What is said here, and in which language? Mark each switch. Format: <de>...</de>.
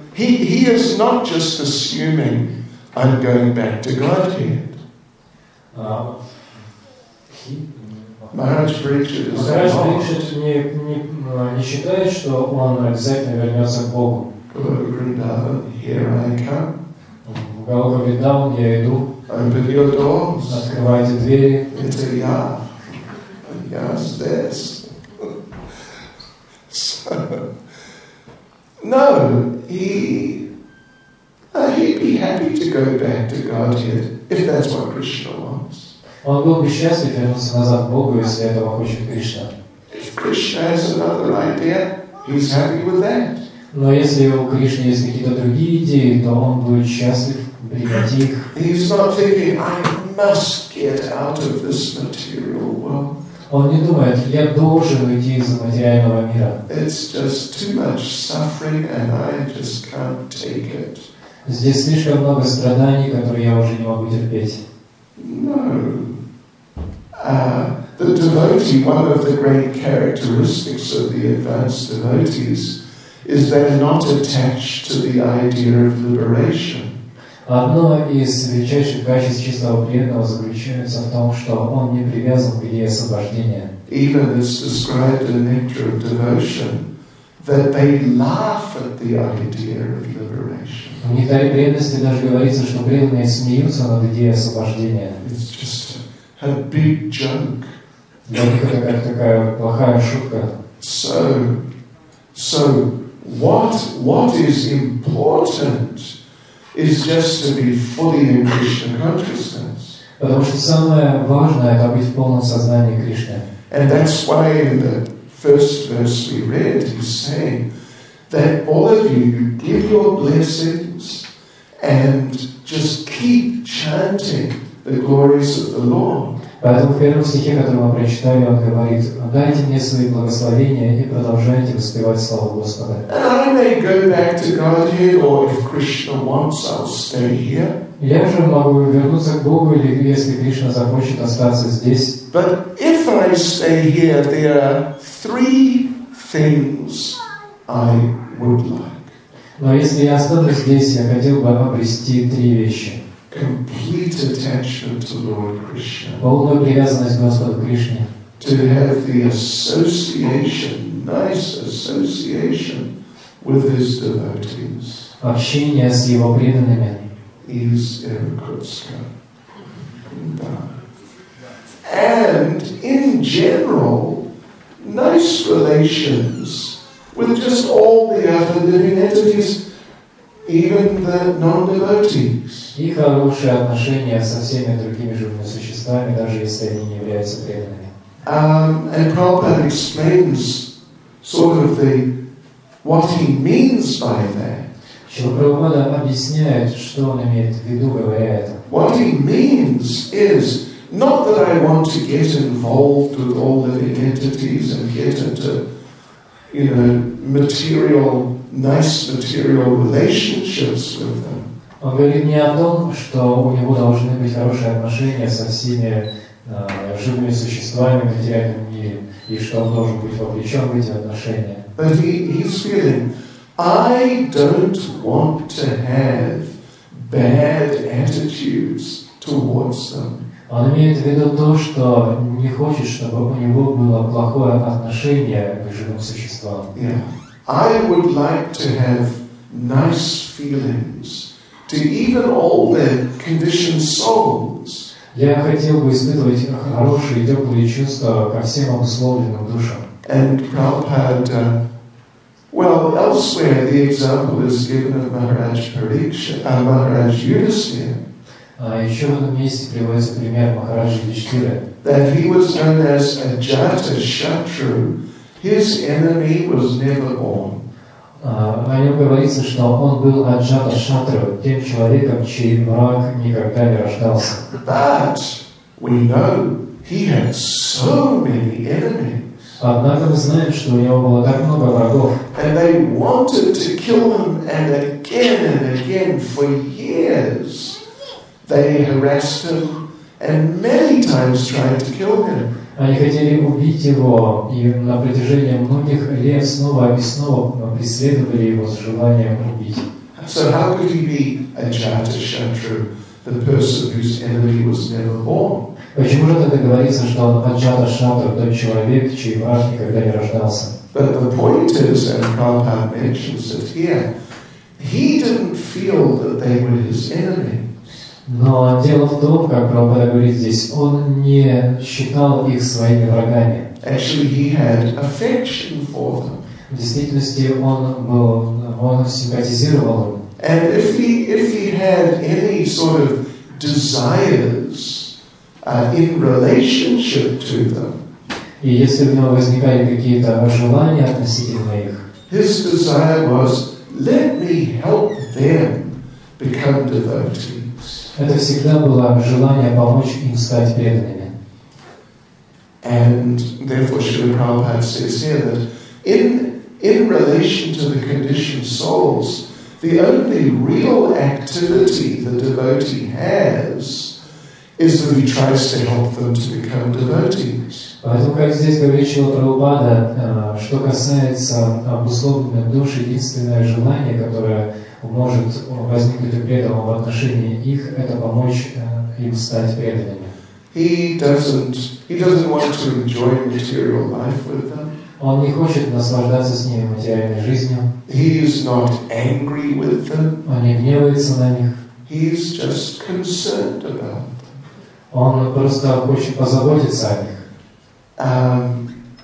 <en>He is not just assuming I'm going back to Godhead. Maharaj</en> <ru>Parikshit не считает, что он обязательно вернется к Богу.</ru> <en>Here I come.</en> <ru>В Голгофу Вриндаван я иду.</ru> <en>Open your doors.</en> <ru>Открывайте двери. Это я.</ru> <en>Yes, this. So, no, he'd be happy to go back to Godhead if that's what Krishna wants.</en> <ru>Он был бы счастлив вернуться назад к Богу, если этого хочет Кришна.</ru> <en>If Krishna has another idea, he's happy with that.</en> <ru>Но если у Кришны есть какие-то другие идеи, то он будет счастлив принять их.</ru> <en>He's not thinking, I must get out of this material world.</en> <ru>Он не думает, я должен уйти из материального мира.</ru> <en>It's just too much suffering and I just can't take it.</en> <ru>Здесь слишком много страданий, которые я уже не могу терпеть.</ru> <en>No. The devotee, one of the great characteristics of the advanced devotees, is they're not attached to the idea of liberation.</en> <ru>Одно из величайших качеств чистого преданного заключается в том, что он не привязан к идее освобождения.</ru> <en>Even it's described in Nectar of Devotion that they laugh at the idea of liberation.</en> <ru>В Нектаре преданности даже говорится, что преданные смеются над идеей освобождения.</ru> <en>It's just a big joke.</en> <ru>Для них это такая плохая шутка.</ru> <en>So what is important is just to be fully in Krishna consciousness.</en> <ru>Потому что самое важное это быть в полном сознании Кришны.</ru> <en>And that's why in the first verse we read, he's saying that all of you give your blessings and just keep chanting the glories of the Lord.</en> <ru>Поэтому в первом стихе, который мы прочитали, он говорит: «Дайте мне свои благословения и продолжайте воспевать славу Господа».</ru> <en>I may go back to Godhead, or if Krishna wants, I'll stay here.</en> <ru>Я же могу вернуться к Богу, или если Кришна захочет остаться здесь.</ru> <en>But if I stay here, there are three things I would like.</en> <ru>Но если я останусь здесь, я хотел бы обрести три вещи.</ru> <en>Complete attention to Lord Krishna.</en> <ru>Полная привязанность к Господу Кришне.</ru> <en>To have the association, nice association with his devotees.</en> <ru>Общение с его преданными. Is Irkutska.</ru> <en>And in general, nice relations with just all the other living entities. even the non-devotees.</en> <ru>И хорошие отношения со всеми другими живыми существами, даже если они не являются преданными.</ru> <en>And Prabhupada explains sort of the what he means by that.</en> <ru>Шрила Прабхупада объясняет, что он имеет в виду, говоря это.</ru> <en>What he means is not that I want to get involved with all living entities and get into, you know, material, nice material relationships with them.</en> <ru>Он говорит не о том, что у него должны быть хорошие отношения со всеми живыми существами в материальном мире, и что он должен быть вовлечен в эти отношения.</ru> <en>But he's feeling, I don't want to have bad attitudes towards them.</en> <ru>Он имеет в виду то, что не хочет, чтобы у него было плохое отношение к живым существам.</ru> <en>Yeah. I would like to have nice feelings to even all their conditioned souls.</en> <ru>Я хотел бы испытывать хорошие, теплые чувства ко всем обусловленным душам.</ru> <en>And Prabhupada, well, elsewhere the example is given of Maharaj Pariksha, Maharaj Yudhisthira.</en> <ru>Еще в одном месте приводится пример Махараджи Юдхиштхиры.</ru> <en>That he was known as Ajata Shatru, his enemy was never born.</en> <ru>О нем говорится, что он был Аджата Шатру, тем человеком, чей враг никогда не рождался.</ru> <en>But we know he had so many enemies.</en> <ru>Однако мы знаем, что у него было так много врагов.</ru> <en>And they wanted to kill him, and again and again for years. They harassed him and many times tried to kill him.</en> <ru>Они хотели убить его, и на протяжении многих лет снова и снова преследовали его с желанием убить.</ru> <en>So how could he be Ajata Shatru, the person whose enemy was never born?</en> <ru>Почему же тогда говорится, что он Аджата Шатру, тот человек, чей враг никогда не рождался?</ru> <en>But the point is, and Prabhupada mentions it here, he didn't feel that they were his enemy.</en> <ru>Но дело в том, как Прабхупада говорит здесь, он не считал их своими врагами.</ru> <en>Actually, he had affection for them.</en> <ru>В действительности, он симпатизировал им.</ru> <en>And if he had any sort of desires in relationship to them.</en> <ru>И если у него возникали какие-то желания относительно их.</ru> <en>His desire was, let me help them become devotees.</en> <ru>Это всегда было желание помочь им стать преданными.</ru> <en>And therefore Srila Prabhupada says here that in relation to the conditioned souls, the only real activity the devotee has is that he tries to help them to become devotees.</en> <ru>Поэтому, как здесь говорит Шрила Прабхупада, что касается обусловленных душ, единственное желание, которое может возникнуть у преданного в отношении их, это помочь им стать преданными.</ru> <en>He doesn't want to enjoy material life with them.</en> <ru>Он не хочет наслаждаться с ними материальной жизнью.</ru> <en>He is not angry with them.</en> <ru>Он не гневается на них.</ru> <en>He is just concerned about them.</en> <ru>Он просто хочет позаботиться о них.</ru>